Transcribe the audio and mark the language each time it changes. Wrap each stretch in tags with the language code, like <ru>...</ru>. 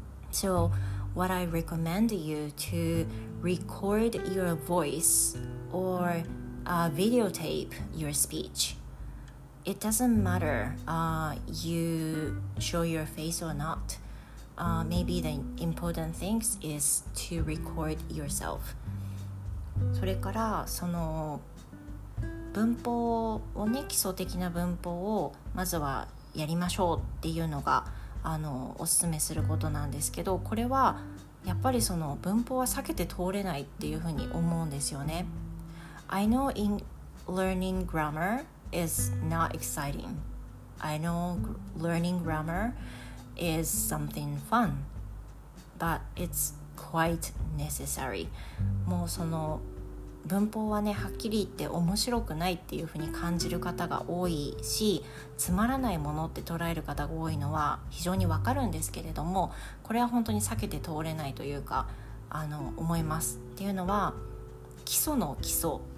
<en>So, what I recommend you to record your voice or videotape your speech. It doesn't matter you show your face or not. Maybe the important thing is to record yourself.</en> <ja>それからその文法をね、基礎的な文法をまずはやりましょうっていうのがおすすめすることなんですけど、これはやっぱりその文法は避けて通れないっていうふうに思うんですよね。</ja> <en>I know in learning grammar is not exciting. I know learning grammar is something fun, but it's quite necessary.</en> <ja>もうその文法はね、はっきり言って面白くないっていう風に感じる方が多いし、つまらないものって捉える方が多いのは非常にわかるんですけれども、これは本当に避けて通れないというか、思います。っていうのは、基礎の基礎</ja>